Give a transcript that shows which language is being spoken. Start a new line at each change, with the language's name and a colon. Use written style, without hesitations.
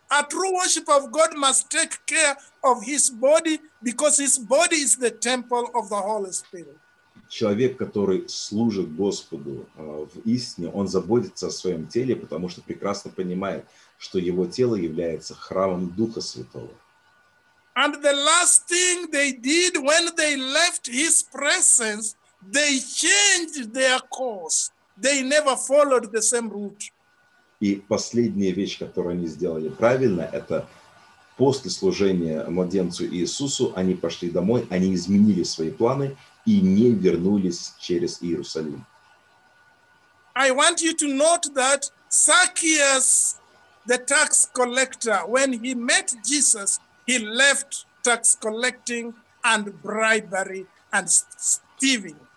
English: True worship of God must take care of his body, because his body is the temple of the Holy Spirit.
Russian: Человек, который служит Господу в истине, он заботится о своем теле, потому что прекрасно понимает, что его тело является храмом Духа Святого.
English: And the last thing they did when they left his presence, they changed their course. They never followed the same route.
Russian: И последняя вещь, которую они сделали правильно, это после служения младенцу Иисусу, они пошли домой, они изменили свои планы и не вернулись через Иерусалим.
English: I want you to note that Zacchaeus, the tax collector, when he met Jesus, he left tax collecting and bribery and stealing.